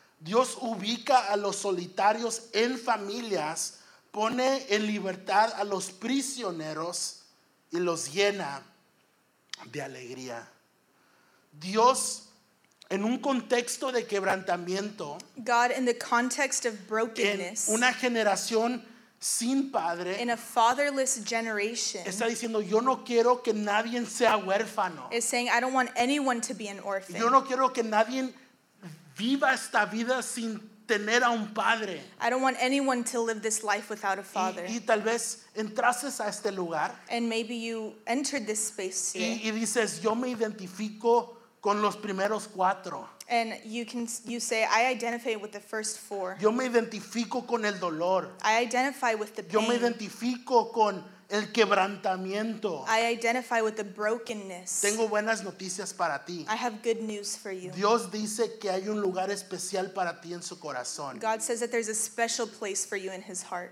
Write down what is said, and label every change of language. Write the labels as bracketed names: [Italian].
[Spanish] Dios ubica a los solitarios en familias, pone en libertad a los prisioneros y los llena de alegría. Dios, en un contexto de quebrantamiento, [English] God in the context of brokenness, [Spanish] en una generación sin padre, [English] in a fatherless generation, [Spanish] está diciendo, yo no quiero que nadie sea huérfano. [English] Is saying, I don't want anyone to be an orphan. [Spanish] Yo no quiero que nadie viva esta vida sin tener a un padre. [English] I don't want anyone to live this life without a father. [Spanish] Y tal vez entraste a este lugar. [English] And maybe you entered this space here. [Spanish] Y dices, yo me identifico con los primeros cuatro. [English] And you say, I identify with the first four. [Spanish] Yo me identifico con el dolor. [English] I identify with the pain. [Spanish] Yo me identifico con el quebrantamiento. [English] I identify with the brokenness. [Spanish] Tengo buenas noticias para ti. [English] I have good news for you. [Spanish] Dios dice que hay un lugar especial para ti en su corazón. [English] God says that there's a special place for you in his heart.